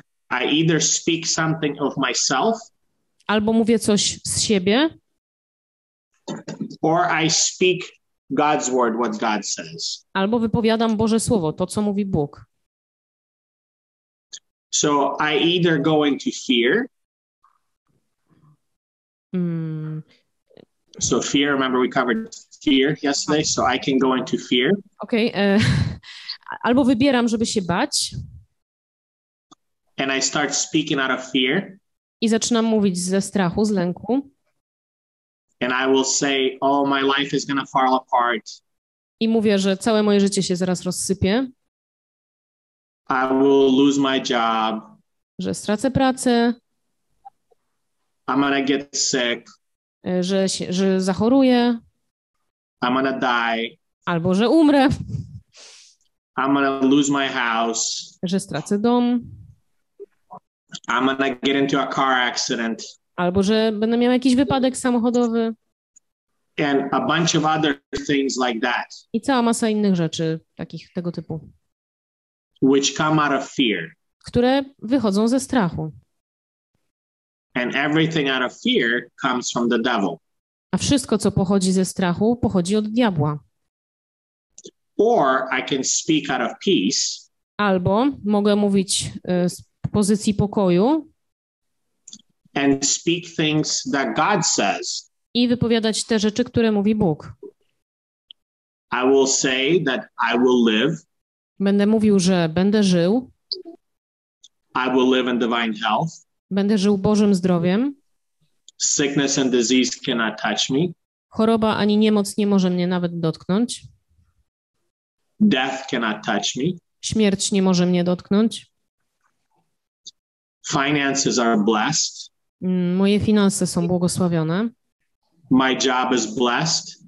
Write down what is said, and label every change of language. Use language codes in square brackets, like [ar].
[en] I either speak something of myself, [pl] albo mówię coś z siebie, [en] or I speak God's word, what God says. [pl] Albo wypowiadam Boże Słowo, to, co mówi Bóg. [en] So I either go into fear. So fear, remember we covered fear yesterday, so I can go into fear. Okay. [pl] Albo wybieram, żeby się bać. [en] And I start speaking out of fear. [pl] I zaczynam mówić ze strachu, z lęku. [en] And I will say, oh, my life is gonna fall apart. [pl] I mówię, że całe moje życie się zaraz rozsypie. [en] I will lose my job. [pl] że stracę pracę, [en] I'm gonna get sick. [pl] Że zachoruję, [en] I'm gonna die. [pl] Albo że umrę, [en] I'm gonna lose my house. [pl] Że stracę dom, [en] I'm gonna get into a car accident. [pl] Albo że będę miał jakiś wypadek samochodowy. [en] And a bunch of other things like that. [pl] I cała masa innych rzeczy takich tego typu. [en] Which come out of fear. [pl] Które wychodzą ze strachu. [en] And everything out of fear comes from the devil. [pl] A wszystko, co pochodzi ze strachu, pochodzi od diabła. [en] Or I can speak out of peace. [pl] Albo mogę mówić z pozycji pokoju. [en] And speak things that God says. [pl] I wypowiadać te rzeczy, które mówi Bóg. [en] I will say that I will live. [pl] Będę mówił, że będę żył. [en] I will live in divine health. [pl] Będę żył Bożym zdrowiem. [en] Sickness and disease cannot touch me. [pl] Choroba ani niemoc nie może mnie nawet dotknąć. [en] Death cannot touch me. [pl] Śmierć nie może mnie dotknąć. [en] Finances are blessed. [pl] Moje finanse są błogosławione. [en] My job is blessed.